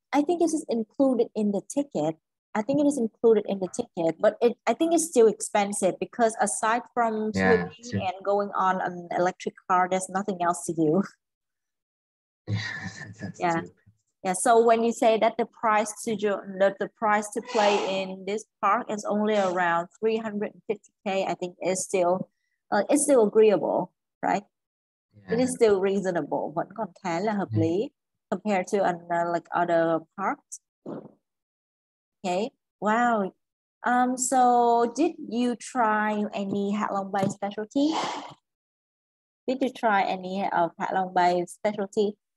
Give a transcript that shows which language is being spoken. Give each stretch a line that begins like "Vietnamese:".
English: I think it is included in the ticket. I think it is included in the ticket, but I think it's still expensive because aside from swimming and going on an electric car, there's nothing else to do. Yeah. So when you say that the price to play in this park is only around 350K, I think it's still agreeable, right? Yeah. It is still reasonable.
Vietnamese: Vẫn còn khá là hợp lý
English: compared to like other parks. Okay. Wow. So did you try any Hạ Long Bay specialty? Did you try any of Hạ Long Bay specialty?